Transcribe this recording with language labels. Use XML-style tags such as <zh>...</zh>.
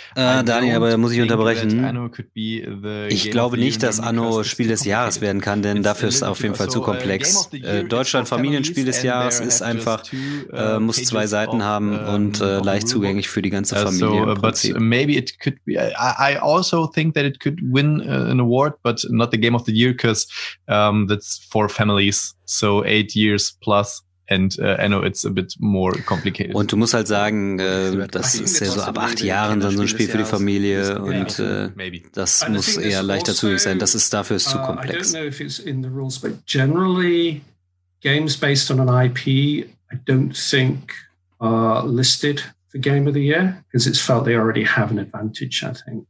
<de>Daniel, aber da muss ich unterbrechen. Ich glaube nicht, dass Anno Spiel des Jahres werden kann, denn dafür ist es auf jeden Fall zu komplex. Deutschland Familienspiel des Jahres ist einfach, muss zwei Seiten haben und leicht zugänglich für die ganze Familie.</de> <en>Maybe it could be. I also think that it could win an award, but not the Game of the Year, because that's for families, so 8 years plus. And I know it's a bit more complicated.</en> <de>Und du musst halt sagen, das ist ja so ab 8 Jahren dann so ein Spiel für die Familie und das muss eher leichter zugänglich sein. Das ist dafür ist zu komplex.</de> <en>I don't know if it's in the rules, but generally games based on an IP, I don't think are listed for Game of the Year, because it's felt they already have an advantage, I think.</en>